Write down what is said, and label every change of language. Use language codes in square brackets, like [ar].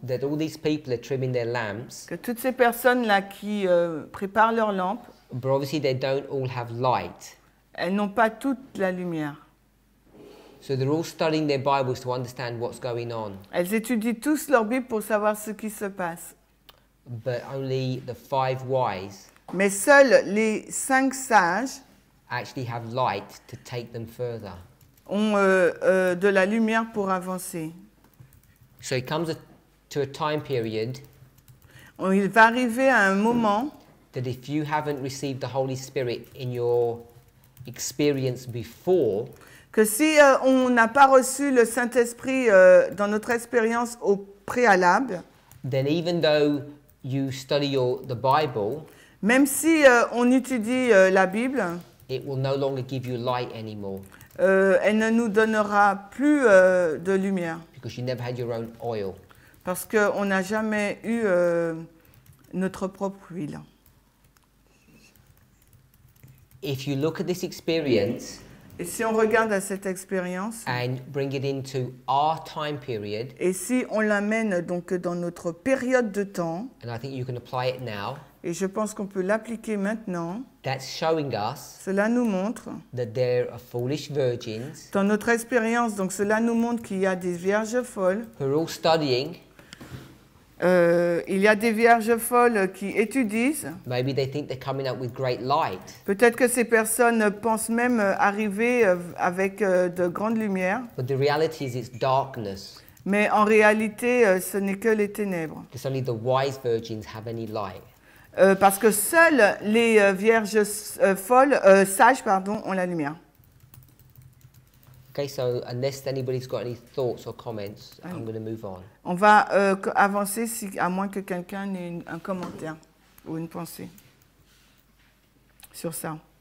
[en] that all these people are trimming their lamps [fr] que toutes ces personnes là qui préparent leurs lampes [en] but obviously they don't all have light [fr] elles n'ont pas toute la lumière [en] so they're all studying their Bibles to understand what's going on [fr] elles étudient tous leur Bible pour savoir ce qui se passe [en] but only the five wise [fr] mais seuls les cinq sages [en] actually have light to take them further. [fr] Ont de la lumière pour avancer. [en] So it comes to a time period. [fr] Il va arriver à un moment. [en] That if you haven't received the Holy Spirit in your experience before. [fr] Que si on n'a pas reçu le Saint-Esprit dans notre expérience au préalable. [en] Then even though you study the Bible. [fr] Même si on étudie la Bible. [en] It will no longer give you light anymore. [fr] Elle ne nous donnera plus de lumière. [en] Because you never had your own oil. [fr] Parce que on n'a jamais eu notre propre huile. [en] If you look at this experience, [fr] et si on regarde à cette expérience, [en] and bring it into our time period, [fr] et si on l'amène donc dans notre période de temps, [en] and I think you can apply it now. [fr] Et je pense qu'on peut l'appliquer maintenant. [en] That's showing us [fr] cela nous montre [en] that there are foolish virgins [fr] dans notre expérience, donc cela nous montre qu'il y a des vierges folles [en] who are all studying. [fr] Il y a des vierges folles qui étudient. [en] Maybe they think they're coming up with great light. [fr] Peut-être que ces personnes pensent même arriver avec de grandes lumières. [en] But the reality is it's darkness. [fr] Mais en réalité, ce n'est que les ténèbres. [en] It's only the wise virgins have any light. [fr] Parce que seules les vierges folles, sages, pardon, ont la lumière. [en] Okay, so unless anybody's got any thoughts or comments, allez. I'm going to move on. [fr] On va avancer si, à moins que quelqu'un ait un commentaire ou une pensée sur ça.